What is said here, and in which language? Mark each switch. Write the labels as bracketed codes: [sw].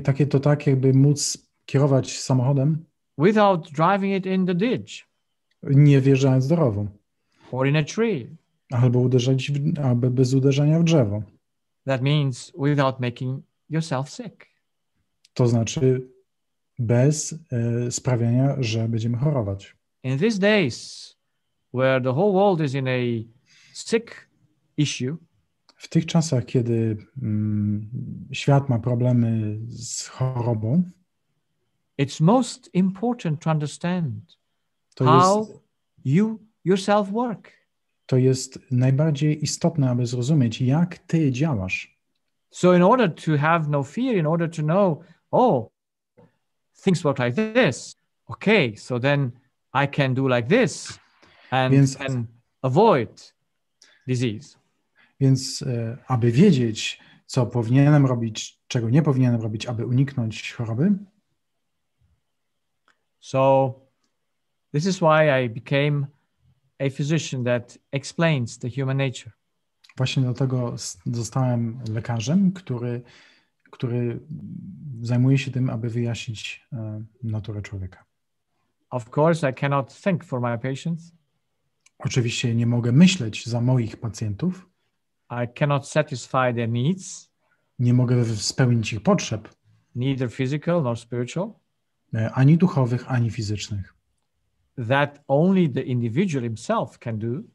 [pl] To tak jakby móc kierować samochodem. [en] Without driving it in the ditch. [pl] Nie wjeżdżając drogą. [en] Or in a tree. [pl] Albo bez uderzenia w drzewo. [en] That means without making yourself sick. [pl] To znaczy bez sprawiania, że będziemy chorować. [en] In these days, where the whole world is in a sick issue. [pl] W tych czasach, kiedy świat ma problemy z chorobą. [en] It's most important to understand how you yourself work. [pl] To jest najbardziej istotne, aby zrozumieć, jak ty działasz. [en] So in order to have no fear, in order to know, oh, things work like this. Okay, so then I can do like this and can avoid disease. [pl] Więc aby wiedzieć, co powinienem robić, czego nie powinienem robić, aby uniknąć choroby. [en] So this is why I became a physician that explains the human nature. [pl] Właśnie dlatego zostałem lekarzem, który zajmuje się tym, aby wyjaśnić naturę człowieka. [en] Of course, I cannot think for my patients. [pl] Oczywiście nie mogę myśleć za moich pacjentów. [en] I cannot satisfy their needs. [pl] Nie mogę spełnić ich potrzeb. [en] Neither physical nor spiritual. [pl] Ani duchowych, ani fizycznych. [en] That only the individual himself can do.